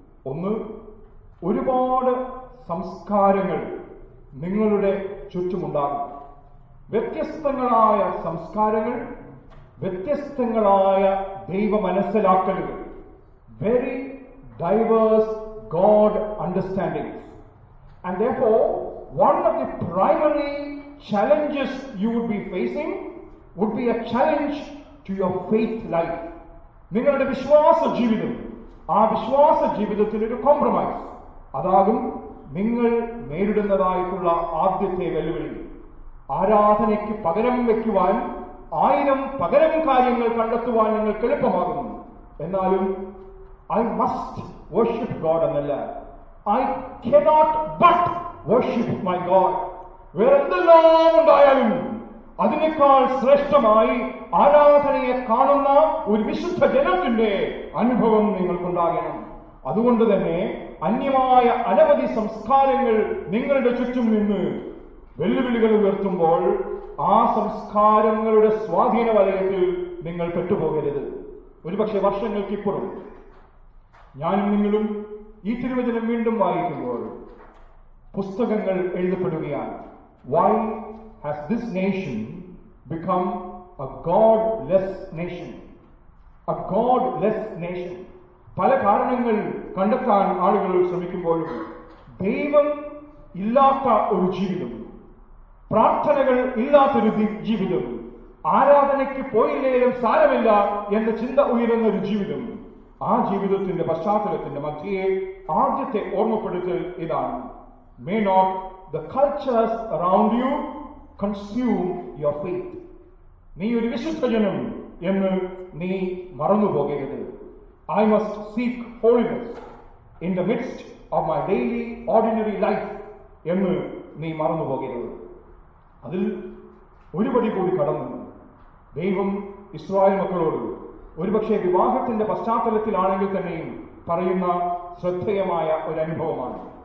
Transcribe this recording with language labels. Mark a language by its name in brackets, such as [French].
[Malayalam] 1, ഒരുപാട് സംസ്കാരങ്ങൾ നിങ്ങളുടെ ചുറ്റുമുണ്ടാകും. വ്യത്യസ്തങ്ങളായ സംസ്കാരങ്ങൾ, വ്യത്യസ്തങ്ങളായ ദൈവ മനസ്സിലാക്കലുകൾ, [English] Very diverse God understandings. And therefore, one of the primary challenges you would be facing would be a challenge to your faith life. [Malayalam] നിങ്ങളുടെ വിശ്വാസ ജീവിതം, ആ വിശ്വാസ ജീവിതത്തിനൊരു കോംപ്രമൈസ്, അതാകും നിങ്ങൾ നേരിടുന്നതായിട്ടുള്ള ആദ്യത്തെ വെല്ലുവിളി. ആരാധനയ്ക്ക് പകരം വയ്ക്കുവാൻ 1000 പകരം കാര്യങ്ങൾ കണ്ടെത്തുവാൻ നിങ്ങൾക്ക് എളുപ്പമാകുന്നു. എന്നാലും [English] I must worship God [Malayalam] എന്നല്ല, [English] I cannot but worship my God. [Malayalam] വേറെന്തെല്ലാം ഉണ്ടായാലും അതിനേക്കാൾ ശ്രേഷ്ഠമായി ആരാധനയെ കാണുന്ന ഒരു വിശുദ്ധ ജനത്തിന്റെ അനുഭവം നിങ്ങൾക്കുണ്ടാകണം. അതുകൊണ്ട് തന്നെ അന്യമായ അനവധി സംസ്കാരങ്ങൾ നിങ്ങളുടെ ചുറ്റും നിന്ന് വെല്ലുവിളികൾ ഉയർത്തുമ്പോൾ ആ സംസ്കാരങ്ങളുടെ സ്വാധീന വലയത്തിൽ നിങ്ങൾ പെട്ടുപോകരുത്. ഒരുപക്ഷെ വർഷങ്ങൾക്കിപ്പുറം ഞാനും നിങ്ങളും ഈ തിരുവചനം വീണ്ടും വായിക്കുമ്പോൾ പുസ്തകങ്ങൾ എഴുതപ്പെടുകയാണ്. [English] Why has this nation become a godless nation? A godless nation. [Malayalam] പല കാരണങ്ങൾ കണ്ടെത്താൻ ആളുകൾ ശ്രമിക്കുമ്പോഴും ദൈവം ഇല്ലാത്ത ഒരു ജീവിതം, പ്രാർത്ഥനകൾ ഇല്ലാത്തൊരു ജീവിതം, ആരാധനയ്ക്ക് പോയില്ലേലും സാരമില്ല എന്ന ചിന്ത ഉയരുന്ന ഒരു ജീവിതം, ആ ജീവിതത്തിന്റെ പശ്ചാത്തലത്തിന്റെ മധ്യയെ ആദ്യത്തെ ഓർമ്മപ്പെടുത്തൽ ഇതാണ്. [English] May not the cultures around you consume your faith. [Malayalam] നീ ഒരു വിശുദ്ധജനം എന്ന് നീ മറന്നുപോകരുത്. [English] I must seek holiness in the midst of my daily ordinary life [Malayalam] എന്ന് നീ മറന്നുപോകരുത്. അതിൽ ഒരുപടി കൂടി കടന്നു ദൈവം ഇസ്രായേൽ മക്കളോട് ഒരുപക്ഷെ വിവാഹത്തിന്റെ പശ്ചാത്തലത്തിലാണെങ്കിൽ തന്നെയും പറയുന്ന ശ്രദ്ധേയമായ ഒരു അനുഭവമാണ്.